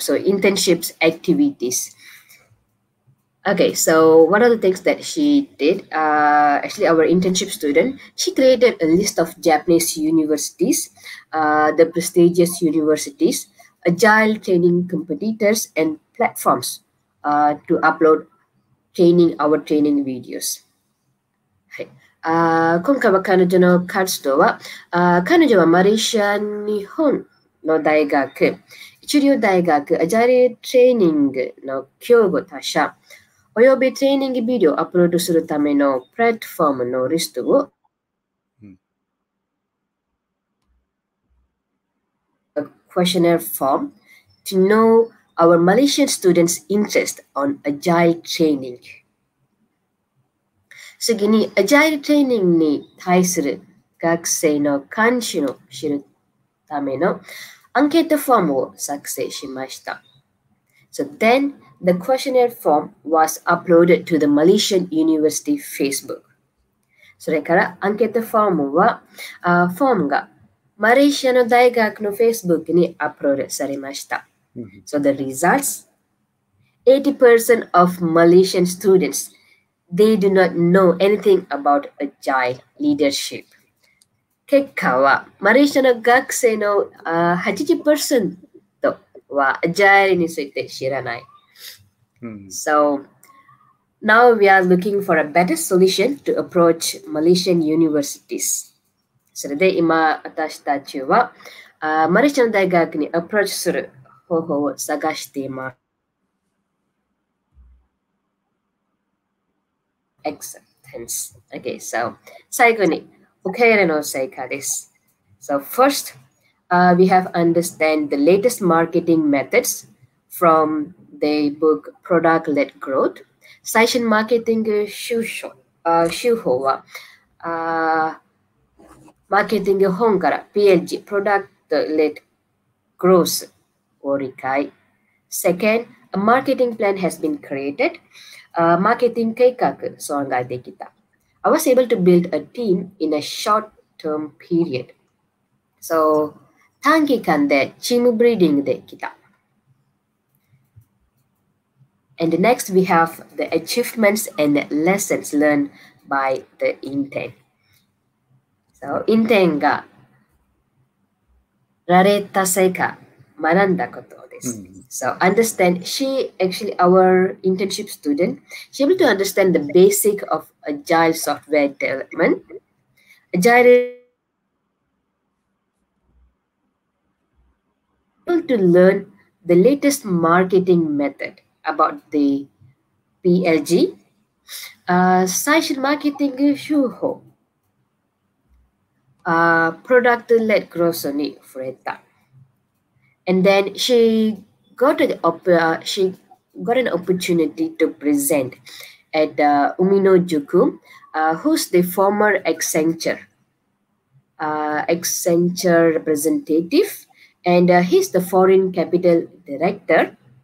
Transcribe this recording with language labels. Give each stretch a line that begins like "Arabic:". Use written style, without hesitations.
English: So internships activities. Okay, so one of the things that she did, actually our internship student, she created a list of Japanese universities, the prestigious universities, agile training competitors, and platforms to upload training our training videos.
Japanese: Hai. 今回は彼女の活動は、彼女はマレーシア日本の大学、一流大学、アジャイルトレーニングの競合他社、およびトレーニングビデオをアップロードするためのプラットフォームのリストを
English: A questionnaire form to know our Malaysian students' interest on agile training.
Japanese: 次に、agile training に対する学生の関心を知るためのアンケートフォームを作成しました。
English: So then, the questionnaire form was uploaded to the Malaysian University Facebook.
Japanese: それからアンケートフォームは、フォームがマレーシアの大学の Facebook にアップロードされました。
English: So the results, 80% of Malaysian students, they do not know anything about agile leadership.
Japanese: 結果は、マレーシアの学生の、80% は agile について知らない。
English: So, now we are looking for a better solution to approach Malaysian universities.
Japanese: それで今私たちは、マレーシアの大学にアプローチする方法を探しています。
English: Acceptance. Okay, so
Japanese: 最後に受け入れの成果です。
English: So first, we have understand the latest marketing methods from the book Product-Led Growth.
Japanese: 最新マーケティング手法は、マーケティング本から PLG Product-Led Growth を理解。
English: Second, a marketing plan has been created.
Japanese: マーケティング計画を考えてきた。
English: I was able to build a team in a short-term period.
Japanese: So, 短期間でチームブリーディングできた。
English: And next, we have the achievements and lessons learned by the intern.
Japanese: So, intern が得られた成果、学んだことです。 Mm-hmm.
English: So understand, she actually, our internship student, she able to understand the basic of agile software development. Agile is able to learn the latest marketing method about the PLG.
Japanese: 最新マーケティング手法 product-led growth に触れた。
English: And then she got an opportunity to present at Umino Juku, who's the former Accenture representative, and he's the foreign capital director.